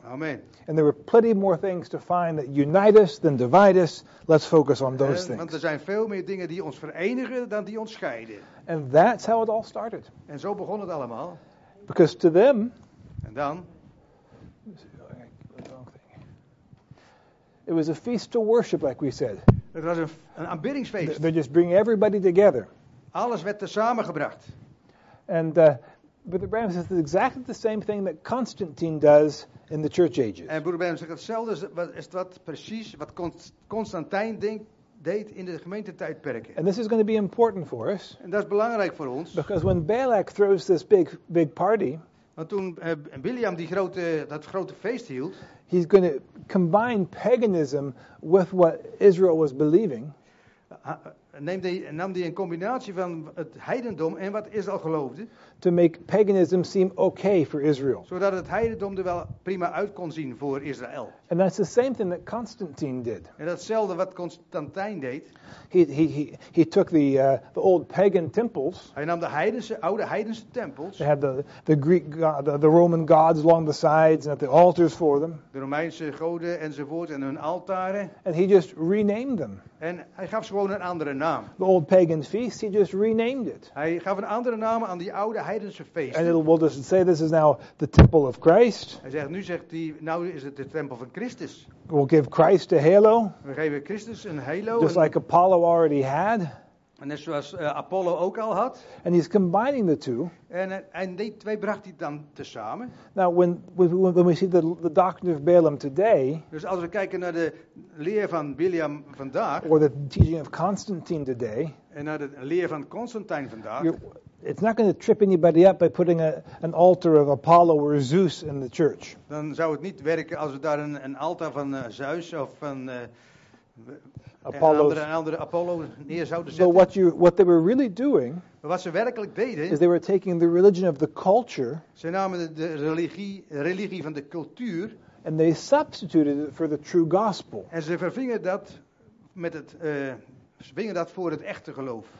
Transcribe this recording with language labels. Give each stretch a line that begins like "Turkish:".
English: Amen. And there were plenty more things to find that unite us than divide us. Let's focus on those things.
Dutch: Want er zijn veel meer dingen die ons verenigen dan die ons scheiden.
English: And that's how it all started.
Dutch: En zo begon het allemaal.
English: Because to them.
Dutch: En dan.
English: It was a feast to worship, like we said.
Dutch: Het was een aanbiddingsfeest.
English: They just bring everybody together.
Dutch: Alles werd er samengebracht.
English: But the Bram says it's exactly the same thing that Constantine does in the church ages.
Dutch: En Broeder Bram zegt hetzelfde is wat precies wat Constantijn deed in de gemeentetijdperken.
English: And this is going to be important for us.
Dutch: En dat is belangrijk voor ons.
English: Because when Balak throws this big party,
Dutch: want toen Bileam dat grote feest hield,
English: he's going to combine paganism with what Israel was believing.
Dutch: Nam die een combinatie van het heidendom en wat Israël geloofde.
English: To make paganism seem okay for Israel.
Dutch: Zodat het heidendom er wel prima uit kon zien voor Israël.
English: And that's the same thing that Constantine did.
Dutch: En datzelfde wat Constantijn deed.
English: He took the old pagan temples.
Dutch: Hij nam de oude heidense tempels.
English: They had the Greek god, the Roman gods along the sides and at the altars for them.
Dutch: De Romeinse goden enzovoort en hun altaren.
English: And he just renamed them.
Dutch: En hij gaf ze gewoon een andere naam.
English: The old pagan feast, he just renamed it.
Dutch: Hij gaf een andere naam aan die oude heidense feest.
English: And we'll just say this is now the temple of Christ.
Dutch: Hij zegt, nu zegt hij, nou is het de tempel van Christus.
English: We'll give Christ a halo.
Dutch: We geven Christus een halo.
English: Just like Apollo already had.
Dutch: En net zoals Apollo ook al had.
English: And he's combining the two.
Dutch: En die twee bracht hij dan tezamen.
English: Now when we see the doctrine of Balaam today.
Dutch: Dus als we kijken naar de leer van Bileam vandaag.
English: Or the teaching of Constantine today.
Dutch: En naar de leer van Constantijn vandaag.
English: It's not going to trip anybody up by putting an altar of Apollo or Zeus in the church.
Dutch: Dan zou het niet werken als we daar een altaar van Zeus of van een andere Apollo neer zouden zetten.
English: But what they were really doing,
Dutch: wat ze werkelijk deden,
English: is they were taking the religion of the culture.
Dutch: Ze namen de religie van de cultuur.
English: And they substituted it for the true gospel.
Dutch: En ze vervingen dat met het vervingen dat voor het echte geloof.